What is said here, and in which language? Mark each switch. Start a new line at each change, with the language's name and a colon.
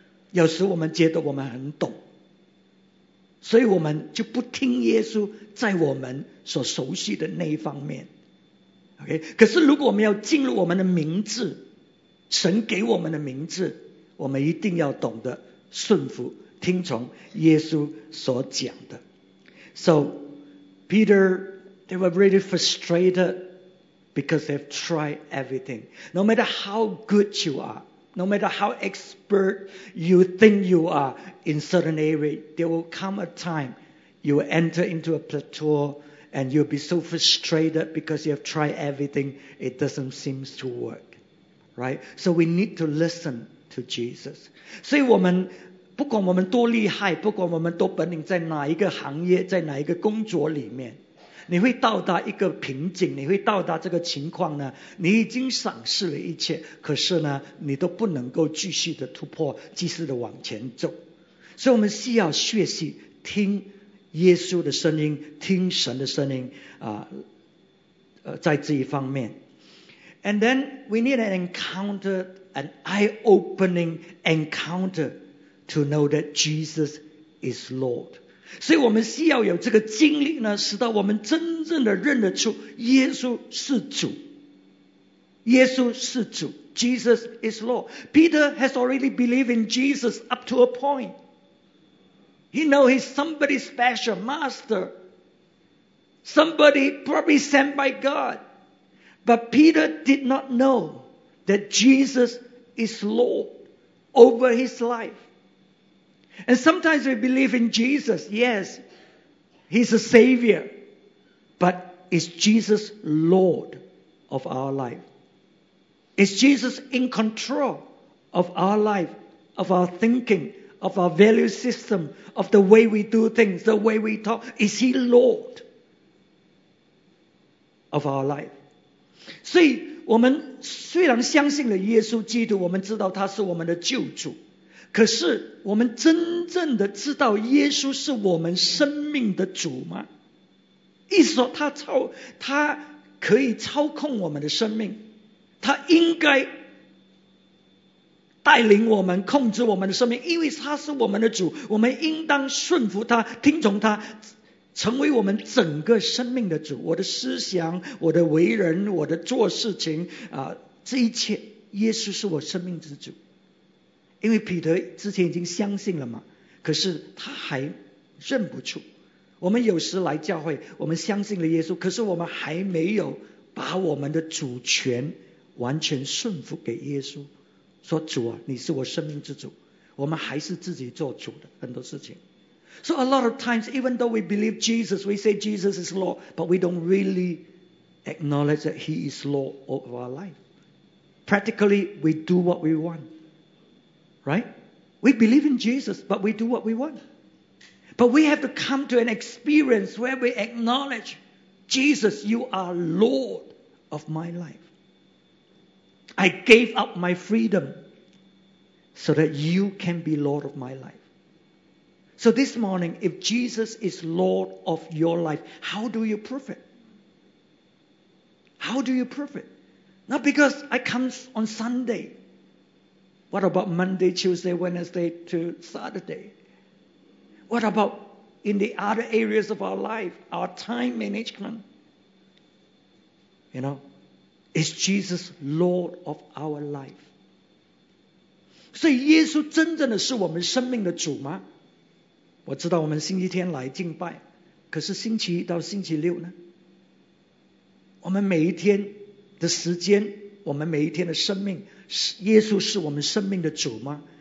Chinese: 有时我们觉得我们很懂，所以我们就不听耶稣在我们所熟悉的那一方面。
English: Okay?
Chinese: 可是如果我们要进入我们的名字，神给我们的名字，我们一定要懂得顺服，听从耶稣所讲的。
English: So, Peter, they were really frustrated because they've tried everything. No matter how good you are, no matter how expert you think you are in certain area, there will come a time you will enter into a plateau and you'll be so frustrated because you have tried everything, it doesn't seem to work. Right? So we need to listen to Jesus.
Chinese: 所以我们不管我们多厉害，不管我们多本领，在哪一个行业，在哪一个工作里面，你会到达一个瓶颈，你会到达这个情况呢，你已经赏识了一切，可是呢，你都不能够继续的突破，继续的往前走。所以我们需要学习听耶稣的声音，听神的声音在这一方面。
English: And then we need an encounter, an eye-opening encounter to know that Jesus is Lord.
Chinese: 所以我们需要有这个经历呢，使得我们真正的认得出耶稣是主。耶稣是主
English: ，Jesus is Lord. Peter has already believed in Jesus up to a point. He knows he's somebody special, master, somebody probably sent by God. But Peter did not know that Jesus is Lord over his life. And sometimes we believe in Jesus. Yes, He's a Savior. But is Jesus Lord of our life? Is Jesus in control of our life, of our thinking, of our value system, of the way we do things, the way we talk? Is He Lord of our life?
Chinese: 所以我们虽然相信了耶稣基督，我们知道他是我们的救主。可是我们真正的知道耶稣是我们生命的主吗？意思说他可以操控我们的生命，他应该带领我们，控制我们的生命，因为他是我们的主，我们应当顺服他，听从他，成为我们整个生命的主。我的思想，我的为人，我的做事情这一切，耶稣是我生命之主。因为彼得之前已经相信了嘛，可是他还认不出。我们有时来教会，我们相信了耶稣，可是我们还没有把我们的主权完全顺服给耶稣，说主啊，你是我生命之主，我们还是自己做主的很多事情。
English: So a lot of times, even though we believe Jesus, we say Jesus is Lord, but we don't really acknowledge that He is Lord of our life. Practically, we do what we want. Right? We believe in Jesus, but we do what we want. But we have to come to an experience where we acknowledge, Jesus, you are Lord of my life. I gave up my freedom so that you can be Lord of my life. So this morning, if Jesus is Lord of your life, how do you prove it? How do you prove it? Not because I come on Sunday. What about Monday, Tuesday, Wednesday to Saturday? What about in the other areas of our life, our time management? You know, is Jesus Lord of our life?
Chinese: 所以耶稣真正的是我们生命的主吗？我知道我们星期天来敬拜，可是星期一到星期六呢？我们每一天的时间，我们每一天的生命，耶稣是我们生命的主吗？